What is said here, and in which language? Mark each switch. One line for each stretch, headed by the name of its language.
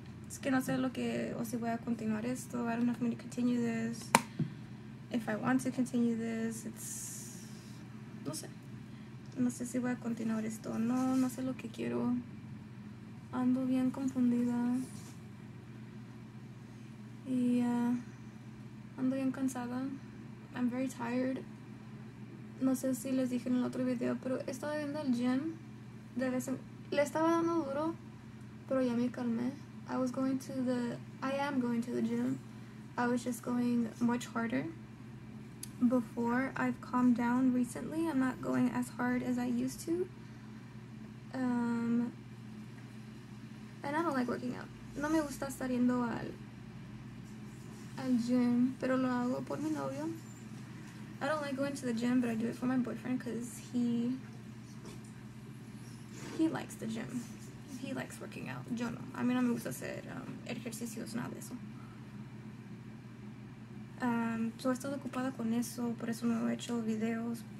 Spanish: Es que no sé lo que, o si voy a continuar esto.
English: I don't know if I'm going to continue this. If I want to continue this, it's,
Spanish: no sé. No sé si voy a continuar esto. No sé lo que quiero. Ando bien confundida. Y ando bien cansada.
English: I'm very tired.
Spanish: No sé si les dije en el otro video, pero estaba yendo al gym. Le estaba dando duro, pero ya me calmé.
English: I am going to the gym. I was just going much harder before. I've calmed down recently. I'm not going as hard as I used to. And I don't like working out.
Spanish: No me gusta estar yendo al gym, pero lo hago por mi novio.
English: I don't like going to the gym, but I do it for my boyfriend because he likes the gym. He likes working out.
Spanish: Yo no. A mí no me gusta hacer ejercicios, nada de eso. So he estado ocupada con eso, por eso no he hecho videos.